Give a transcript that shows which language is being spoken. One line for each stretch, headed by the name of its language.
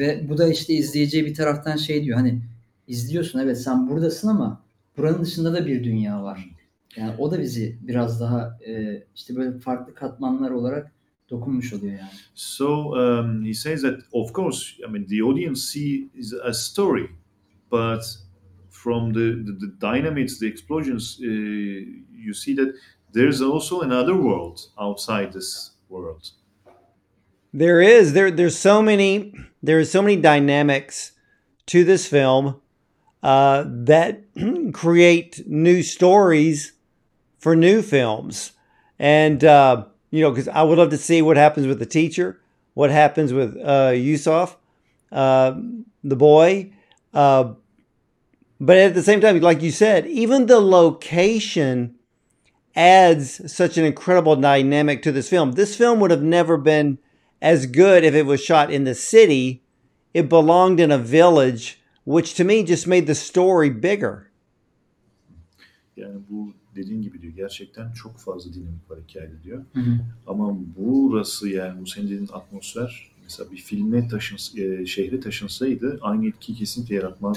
Turkish: Ve bu da işte izleyiciye bir taraftan şey diyor hani izliyorsun evet sen buradasın ama buranın dışında da bir dünya var. Yani o da bizi biraz daha işte böyle farklı katmanlar olarak dokunmuş oluyor yani.
English: So he says that of course I mean the audience sees a story but from the dynamites the explosions you see that there's also another world outside this world. There are so many dynamics to this film that create new stories for new films. And, you know, because I would love to see what happens with the teacher, what happens with Yusuf, the boy. But at the same time, like you said, even the location adds such an incredible dynamic to this film. This film would have never been as good if it was shot in the city. It belonged in a village, which to me just made the story bigger.
Turkish: Yeah, dediğin gibi diyor gerçekten çok fazla dinamik var hikayede diyor. Ama burası yani bu senin dediğin atmosfer mesela bir filme şehre taşınsaydı aynı etkiyi kesinlikle yaratmaz